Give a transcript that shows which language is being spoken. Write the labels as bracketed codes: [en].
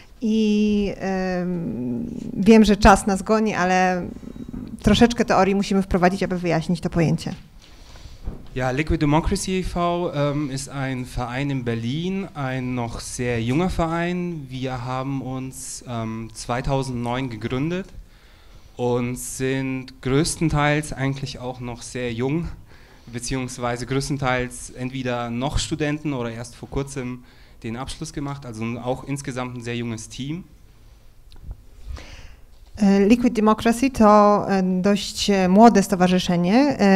[pl] I wiem, że czas nas goni, ale troszeczkę teorii musimy wprowadzić, aby wyjaśnić to pojęcie. [de] Ja, Liquid Democracy e.V. ist ein Verein in Berlin, ein noch sehr junger Verein. Wir haben uns 2009 gegründet. Und sind größtenteils eigentlich auch noch sehr jung, beziehungsweise größtenteils entweder noch Studenten oder erst vor kurzem den Abschluss gemacht, also auch insgesamt ein sehr junges Team. [pl] Liquid Democracy to dość młode stowarzyszenie.